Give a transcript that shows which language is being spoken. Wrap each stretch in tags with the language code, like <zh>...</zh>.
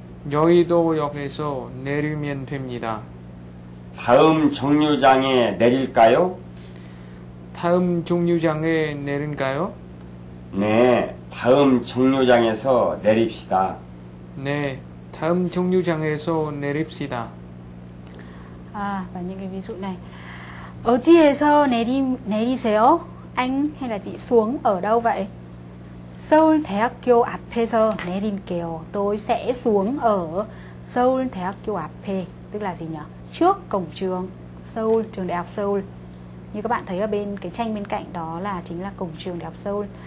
<ko>여의도역에서 내리면 됩니다. 다음 정류장에 내릴까요? 다음 정류장에 내릴까요? 네, 다음 정류장에서 내립시다. 네, 다음 정류장에서 내립시다. 아, 만약에</ko> <vi>cái ví dụ này.</vi> <ko>어디에서 내리세요?</ko> <vi>Anh hay là chị xuống ở đâu vậy?</vi> <ko>서울대학교 앞에서 내릴게요.</ko> <vi>Tôi sẽ xuống ở</vi> <ko>서울대학교 앞에.</ko> <vi>Tức là gì nhỉ? Trước cổng trường Seoul, trường đại học Seoul. Như các bạn thấy ở bên cái tranh bên cạnh đó là chính là cổng trường đại học Seoul.</vi>